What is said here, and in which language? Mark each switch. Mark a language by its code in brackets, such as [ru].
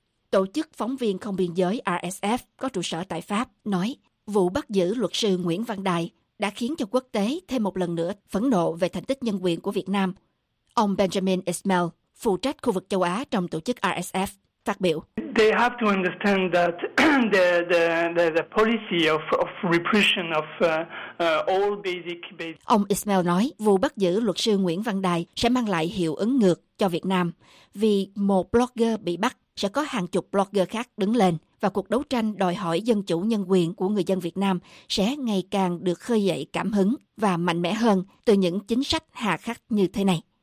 [vi] Tổ chức Phóng viên Không Biên Giới RSF có trụ sở tại Pháp nói, vụ bắt giữ luật sư Nguyễn Văn Đài đã khiến cho quốc tế thêm một lần nữa phẫn nộ về thành tích nhân quyền của Việt Nam. Ông Benjamin Ismail, phụ trách khu vực châu Á trong tổ chức RSF, phát biểu. [en] They have to understand that the policy of repression of all basic. [vi] Ông Ismail nói, vụ bắt giữ luật sư Nguyễn Văn Đài sẽ mang lại hiệu ứng ngược cho Việt Nam, vì một blogger bị bắt sẽ có hàng chục blogger khác đứng lên và cuộc đấu tranh đòi hỏi dân chủ nhân quyền của người dân Việt Nam sẽ ngày càng được khơi dậy cảm hứng và mạnh mẽ hơn từ những chính sách hà khắc như thế này.